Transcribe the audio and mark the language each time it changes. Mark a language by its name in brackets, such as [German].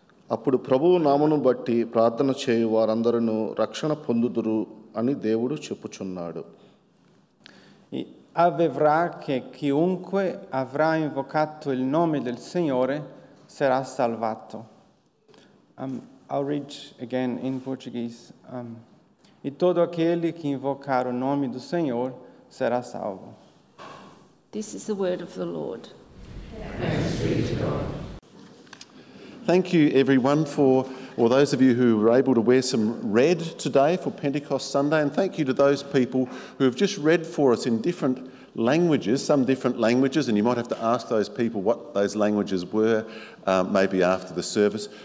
[Telugu] అప్పుడు ప్రభువు నామమును బట్టి ప్రార్థన చేయు వారందరును రక్షణ పొందుదురు అని దేవుడు చెప్పుచున్నాడు. [Italian] Avverrà che chiunque avrà invocato il nome del Signore sarà salvato. [English] I'll read again in Portuguese. [Portuguese] E todo aquele che invocare o nome do Senhor sarà salvo. [English] This is the word of the Lord. Thanks be to God. Thank you, everyone, or those of you who were able to wear some red today for Pentecost Sunday, and thank you to those people who have just read for us in different languages, some different languages, and you might have to ask those people what those languages were, maybe after the service.